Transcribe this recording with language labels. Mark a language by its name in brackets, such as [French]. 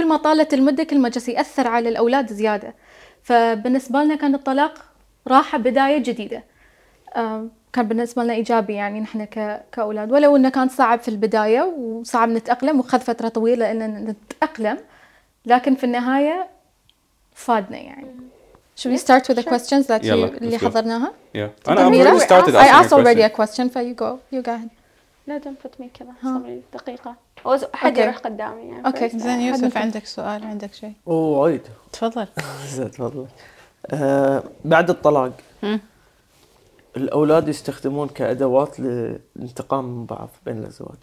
[Arabic] كل ما طالت المدة كل ما جسي يأثر على الأولاد زيادة. فبالنسبة لنا كان الطلاق راحة, بداية جديدة, كان بالنسبة لنا إيجابي يعني نحن كأولاد, ولو أنه كان صعب في البداية وصعب نتأقلم وخذ فترة طويلة إن نتأقلم, لكن في النهاية فادنا يعني. [English] Should we start with the questions that you [Arabic] اللي حضرناها؟ [English] Yeah. I asked already a question, for you go ahead. [Arabic] لا تنفت مي كذا, صبري دقيقة. حد يروح قدامي يعني. [English] Okay. [Arabic] زين يوسف, عندك سؤال؟ عندك شيء؟ أوه وايد. تفضل. زين تفضل. بعد الطلاق. الأولاد يستخدمون كأدوات للانتقام من بعض بين الأزواج.